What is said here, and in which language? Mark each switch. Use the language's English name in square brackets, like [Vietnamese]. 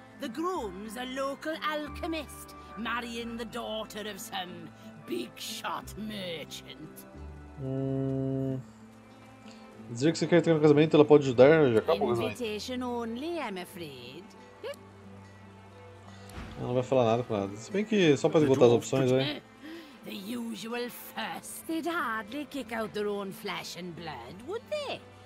[English] The groom's a local alchemist, marrying the daughter of some big shot merchant. [Portuguese] Dizer que você quer ter um casamento, ela pode ajudar, já acabou o casamento. [English] Only, I'm afraid. [Portuguese] Ela não vai falar nada com nada. Se bem que só para esgotar as opções, hein? [English] The usual fuss. They'd hardly kick out their own flesh and blood, would they?